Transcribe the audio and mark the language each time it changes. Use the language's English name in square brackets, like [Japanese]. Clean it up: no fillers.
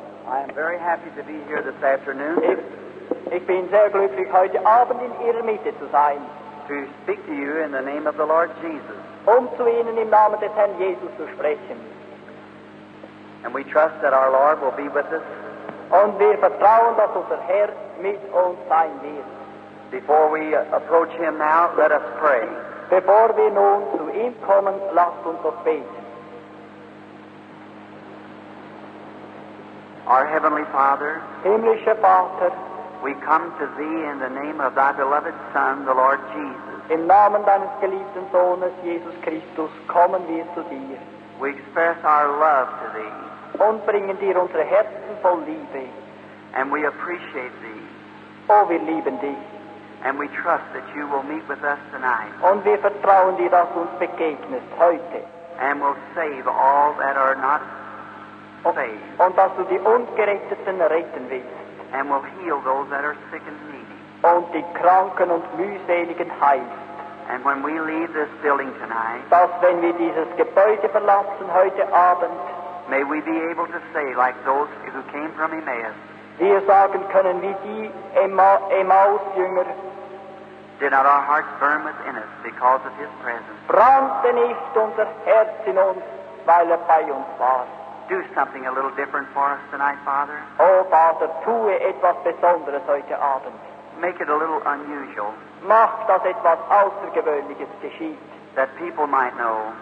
[English] I am very happy to be here this afternoon. [German] Ich bin sehr glücklich, heute Abend in Ihrer Mitte zu sein. [English] To speak to you in the name of the Lord Jesus. [German] Um zu Ihnen im Namen des Herrn Jesus zu sprechen. [English] And we trust that our Lord will be with us. [German] Und wir vertrauen, dass unser Herr mit uns sein wird. [English] Before we approach Him now, let us pray. [German] Bevor wir nun zu ihm kommen, lasst uns doch beten. [English] Our Heavenly Father, [German] Himmlischer Vater, [English] we come to Thee in the name of Thy beloved Son, the Lord Jesus. [German] Im Namen deines geliebten Sohnes, Jesus Christus, kommen wir zu Dir. [English] We express our love to Thee. [German] Und bringen Dir unsere Herzen voll Liebe. [English] And we appreciate Thee. [German] Oh, wir lieben Dich. [English] And we trust that You will meet with us tonight. [German] Und wir vertrauen Dir, dass Du uns begegnest heute. [English] And will save all that are not saved. [German] Und dass Du die Ungeretteten retten willst. [English] And will heal those that are sick and needy. [German] Und die Kranken und Mühseligen heilst. [English] And when we leave this building tonight, [German] dass wenn wir dieses Gebäude verlassen heute Abend, [English] may we be able to say like those who came from Emmaus, [German] wir sagen können wie die Emmaus-Jünger, [English] did not our hearts burn within us because of His presence? [German] Brannte nicht unser Herz in uns, weil bei uns war? [English] Do something a little different for us tonight, Father. [German] Oh, Father, tue etwas Besonderes heute Abend. [English] Make it a little unusual. [German] Mach, dass etwas Außergewöhnliches geschieht. [English] That people might know.